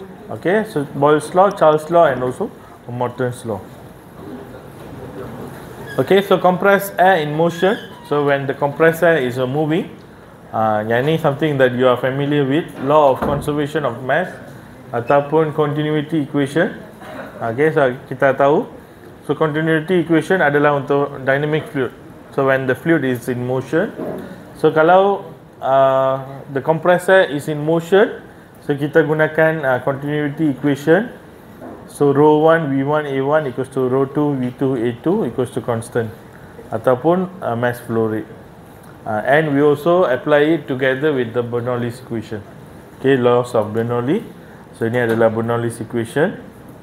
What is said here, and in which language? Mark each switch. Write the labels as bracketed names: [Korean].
[English] Okay, so Boyle's law, Charles' law, and also Morton's law. Okay, so compressed air in motion. So when the compressed air is moving, yani something that you are familiar with, law of conservation of mass, [Malay] ataupun [English] continuity equation. [Malay] Okay, so kita tahu. [English] So continuity equation [Malay] adalah untuk [English] dynamic fluid. So when the fluid is in motion, so [Malay] kalau [English] the compressor is in motion, [Malay] so kita gunakan [English] continuity equation. So rho 1 V1 A1 equals to rho 2 V2 A2 equals to constant, [Malay] ataupun [English] mass flow rate. And we also apply it together with the Bernoulli's equation. Okay, laws of Bernoulli. So [Malay] ini adalah [English] Bernoulli's equation.